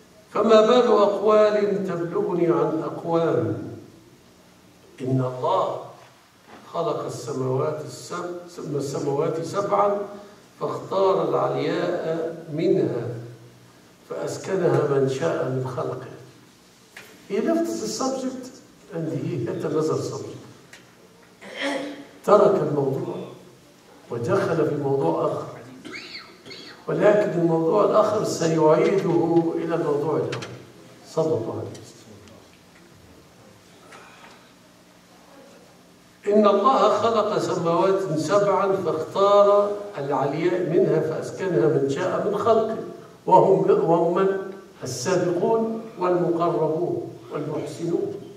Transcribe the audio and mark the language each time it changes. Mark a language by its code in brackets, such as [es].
[ar] فما بال أقوال تبلغني عن أقوام؟ إن الله خلق السماوات السبع، ثم السماوات سبعا، فاختار العلياء منها فأسكنها من شاء من خلقه. [en] He left the subject and he had the other subject. [ar] ترك الموضوع ودخل في موضوع آخر، ولكن الموضوع الآخر سيعيده إلى الموضوع الأول صلى الله عليه وسلم. إن الله خلق سماوات سبعا فاختار العلياء منها فأسكنها من شاء من خلقه، وهم من السابقون والمقربون والمحسنون.